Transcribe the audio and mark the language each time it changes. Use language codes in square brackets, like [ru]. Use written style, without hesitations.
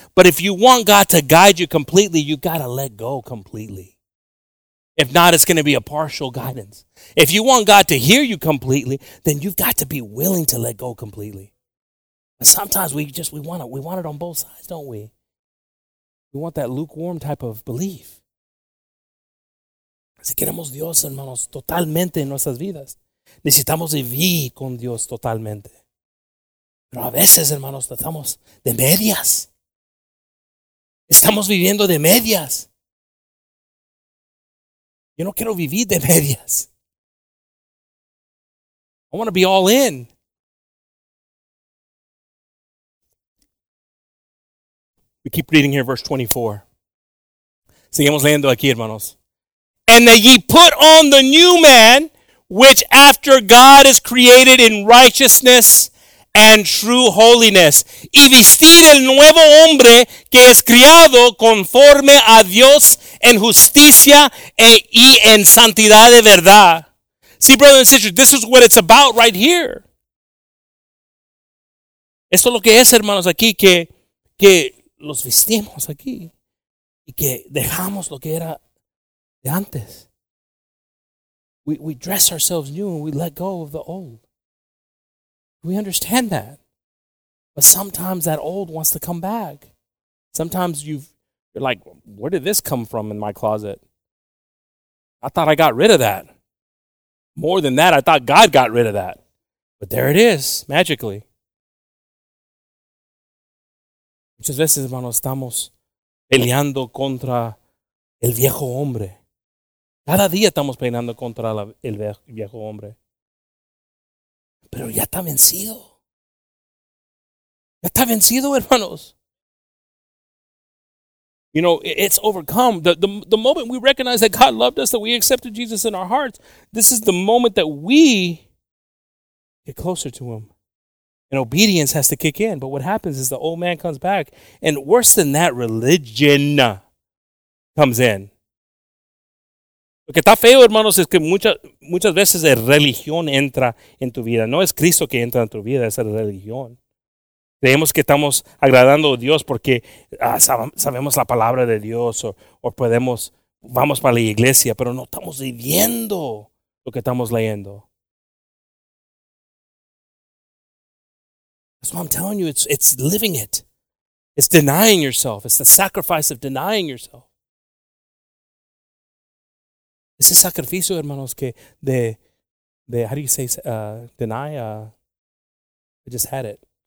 [en] But if you want God to guide you completely, you got to let go completely. If not, it's going to be a partial guidance. If you want God to hear you completely, then you've got to be willing to let go completely. And sometimes we want it on both sides, don't we? We want that lukewarm type of belief. [es] Si queremos Dios, hermanos, totalmente en nuestras vidas, necesitamos vivir con Dios totalmente. Pero a veces, hermanos, estamos de medias. Estamos viviendo de medias. Yo no quiero vivir de medias. [en] I want to be all in. We keep reading here, verse 24. Seguimos leyendo aquí, hermanos. And that ye put on the new man, which after God is created in righteousness and true holiness. [es] Y vestir el nuevo hombre que es criado conforme a Dios en justicia y en santidad de verdad. [en] See, brothers and sisters, this is what it's about right here. [es] Esto es lo que es, hermanos, aquí, que los vestimos aquí y que dejamos lo que era de antes. [en] We dress ourselves new and we let go of the old. We understand that. But sometimes that old wants to come back. Sometimes you're like, where did this come from in my closet? I thought I got rid of that. More than that, I thought God got rid of that. But there it is, magically. [es] Muchas veces, hermanos, estamos peleando contra el viejo hombre. Cada día estamos peleando contra el viejo hombre. Pero ya está vencido. Ya está vencido, hermanos. [en] You know, it's overcome. The moment we recognize that God loved us, that we accepted Jesus in our hearts, this is the moment that we get closer to him. And obedience has to kick in. But what happens is the old man comes back. And worse than that, religion comes in. [es] Lo que está feo, hermanos, es que muchas veces la religión entra en tu vida. No es Cristo que entra en tu vida, es la religión. Creemos que estamos agradando a Dios porque sabemos la palabra de Dios o podemos, vamos para la iglesia, pero no estamos viviendo lo que estamos leyendo. [en] That's what I'm telling you, it's living it. It's denying yourself. It's the sacrifice of denying yourself. [es] Ese sacrificio, hermanos, que de how do you say, deny? [en] I just had it.